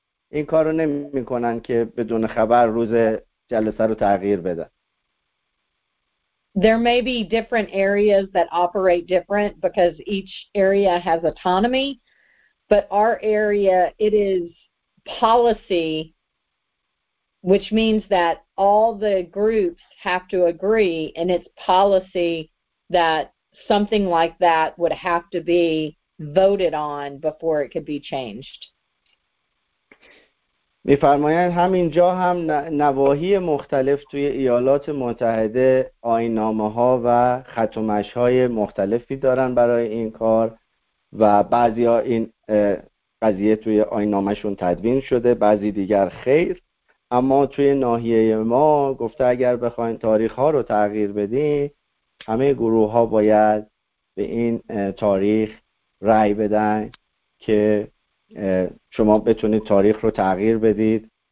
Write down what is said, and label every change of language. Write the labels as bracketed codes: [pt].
[fa] این کارو نمی‌کنن که بدون خبر روز جلسه رو تغییر بده. [en] There may be different areas that operate different because each area has autonomy, but our area, it is policy, which means that all the groups have to agree, and it's policy that something like that would have to be voted on before it could be changed. [fa] می فرمایند همینجا هم نواحی مختلف توی ایالات متحده آیین‌نامه ها و خط و مش های مختلفی دارن برای این کار و بعضی ها این قضیه توی آیین‌نامه شون تدوین شده، بعضی دیگر خیر، اما توی ناحیه ما گفته اگر بخواین تاریخ ها رو تغییر بدین همه گروه ها باید به این تاریخ رأی بدن که شما بتونید تاریخ رو تغییر بدید.